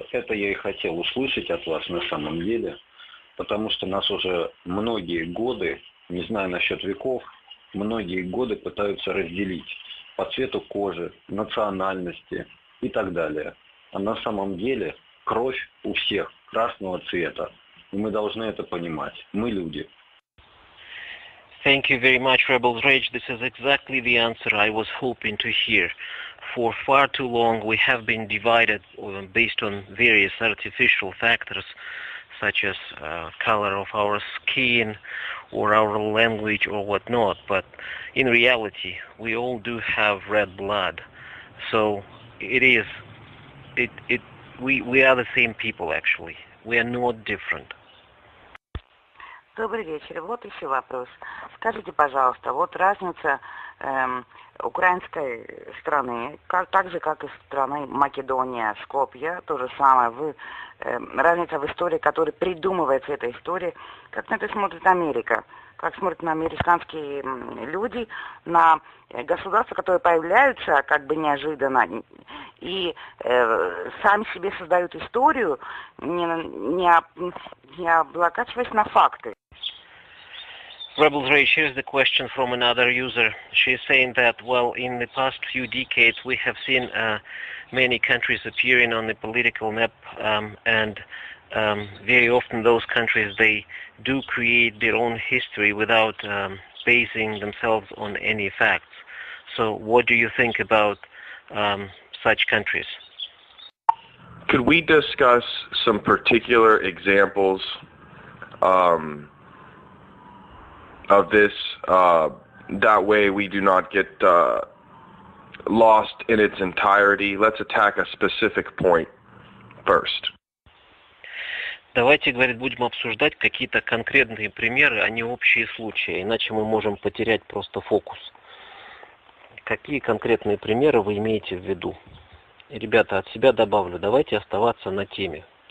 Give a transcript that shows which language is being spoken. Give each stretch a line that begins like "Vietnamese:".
Russian: Это я и хотел услышать от вас на самом деле, потому что нас уже многие годы, не знаю насчет веков, многие годы пытаются разделить по цвету кожи, национальности и так далее. А на самом деле кровь у всех красного цвета. И мы должны это понимать. Мы люди.
English: Thank you very much, Rebel Rage. This is exactly the answer I was hoping to hear. For far too long we have been divided based on various artificial factors, such as color of our skin, or our language, or whatnot. But in reality, we all do have red blood. So we are the same people, actually. We are not different.
Russian: Добрый вечер. Вот еще вопрос. Скажите, пожалуйста, вот разница украинской страны, как, так же, как и страны Македония, Скопья, то же самое. Разница в истории, которая придумывается этой истории, как на это смотрит Америка, как смотрят на американские люди, на государства, которые появляются как бы неожиданно и сами себе создают историю, не облокачиваясь на факты.
English: Rebel Rage, here's the question from another user. She's saying that, well, in the past few decades, we have seen many countries appearing on the political map, and very often those countries, they do create their own history without basing themselves on any facts. So what do you think about such countries? Could we discuss some particular examples of this, that way we do not get lost in its entirety. Let's attack a specific point first.
Russian: Давайте, говорит, будем обсуждать какие-то конкретные примеры, а не общие случаи, иначе мы можем потерять просто фокус. Какие конкретные примеры вы имеете в виду? Ребята, от себя добавлю, давайте оставаться на теме.